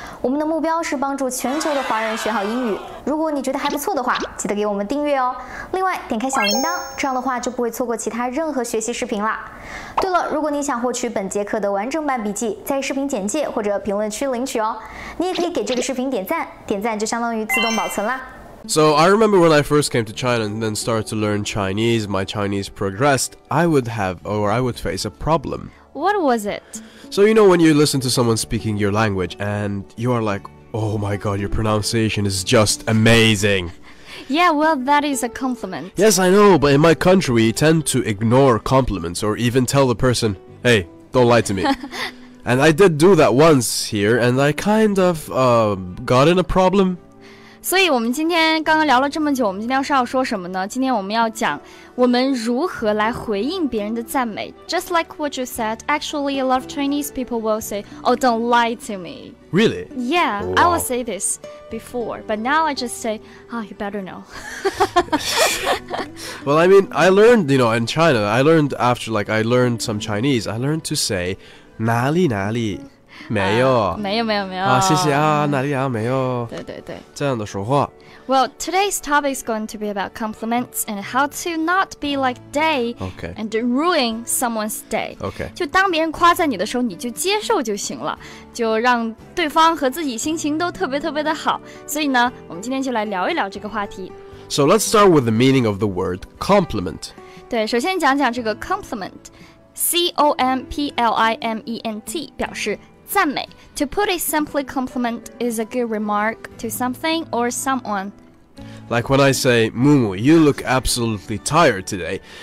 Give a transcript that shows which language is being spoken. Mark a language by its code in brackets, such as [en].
[zh] 我们的目标是帮助全球的华人学好英语。如果你觉得还不错的话，记得给我们订阅哦。另外，点开小铃铛，这样的话就不会错过其他任何学习视频啦。对了，如果你想获取本节课的完整版笔记，在视频简介或者评论区领取哦。你也可以给这个视频点赞，点赞就相当于自动保存啦。 [en] So I remember when I first came to China and then started to learn Chinese, my Chinese progressed, I would face a problem. What was it? So you know when you listen to someone speaking your language and you are like, oh my god, your pronunciation is just amazing. Yeah, well, that is a compliment. Yes, I know, but in my country, we tend to ignore compliments or even tell the person, hey, don't lie to me. And I did do that once here, and I kind of got in a problem. [zh] 所以我们今天刚刚聊了这么久，我们今天是要说什么呢？今天我们要讲我们如何来回应别人的赞美。 [en] Just like what you said, actually a lot of Chinese people will say, oh, don't lie to me. Really? Yeah, wow. I will say this before, but now I just say, oh, you better know. Well, I mean, I learned, you know, in China, I learned after, like, I learned some Chinese, I learned to say, [zh] 哪里哪里没有、啊、没有没有没有啊，谢谢啊，哪里啊没有，对对对，这样的说话。 [en] Well, today's topic is going to be about compliments and how to not be like day、 okay. and ruin someone's day. Okay. [zh] 就当别人夸赞你的时候，你就接受就行了，就让对方和自己心情都特别特别的好。所以呢，我们今天就来聊一聊这个话题。 [en] So let's start with the meaning of the word compliment. [zh] 对，首先讲讲这个 complimentComplement 表示赞美。 [en] To put it simply, compliment is a good remark to something or someone. Like when I say, Mumu, you look absolutely tired today.